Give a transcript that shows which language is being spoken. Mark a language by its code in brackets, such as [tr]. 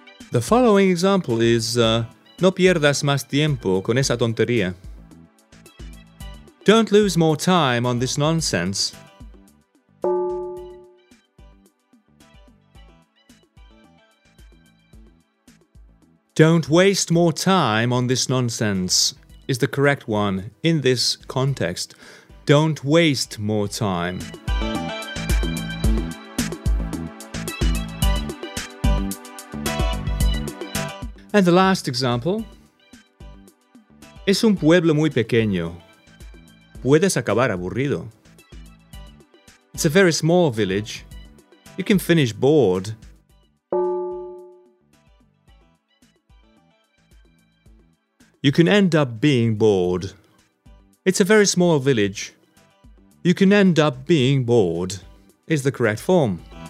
[en] The following example is [es] no pierdas más tiempo con esa tontería. [en] Don't lose more time on this nonsense. Don't waste more time on this nonsense is the correct one in this context. Don't waste more time. And the last example. [es] Es un pueblo muy pequeño. Puedes acabar aburrido. [en] It's a very small village. You can finish bored. You can end up being bored. It's a very small village. You can end up being bored is the correct form.